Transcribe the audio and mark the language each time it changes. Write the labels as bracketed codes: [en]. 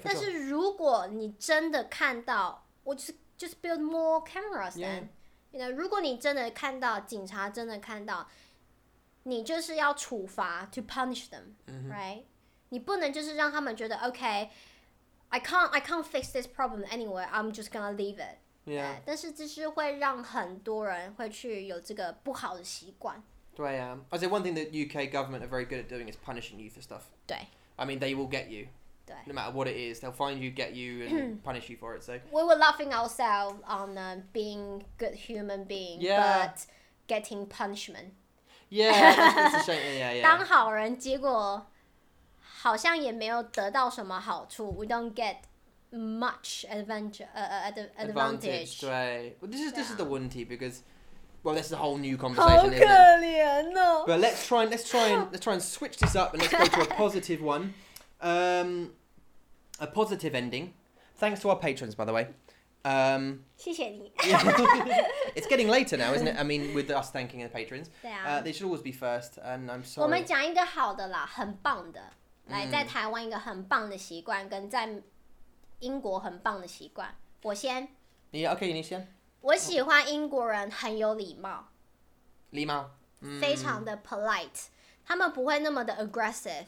[zh] 但是如果你真的看到 [en] just build more cameras then. [zh] You know, 如果你真的看到警察真的看到你就是要处罚 [en] to punish them, right? [zh] 你不能就是让他们觉得 [en] okay, I can't fix this problem anyway, I'm just gonna leave it. Yeah. [zh] 但是这是会让很多人会去有这个不好的习惯。对啊。 [en] I say one thing that UK government are very good at doing is punishing you for stuff. [zh] 对。 [en] I mean, they will get you. [zh] 对。 [en] No matter what it is, they'll find you, get you, and punish you for it, so. We were laughing ourselves on being good human being, but getting punishment. Yeah, it's a shame, yeah. [zh] 当好人结果好像也没有得到什么好处。 [en] We don't get much advantage. [zh] 对。 [en] Well, this is the 问题 because, well, this is a whole new conversation. [zh] 好可怜哦。 [en] But let's try and switch this up and let's go to a positive one. A positive ending. Thanks to our patrons, by the way. [zh] 谢谢你。 [en] It's getting later now, isn't it? I mean, with us thanking the patrons. [zh] 对啊。 [en] They should always be first, and I'm sorry. [zh] 我们讲一个好的啦，很棒的。来，在台湾一个很棒的习惯，跟在英国很棒的习惯。我先。你 OK？ 你先。我喜欢英国人很有礼貌。礼貌。非常的 polite， 他们不会那么的 aggressive。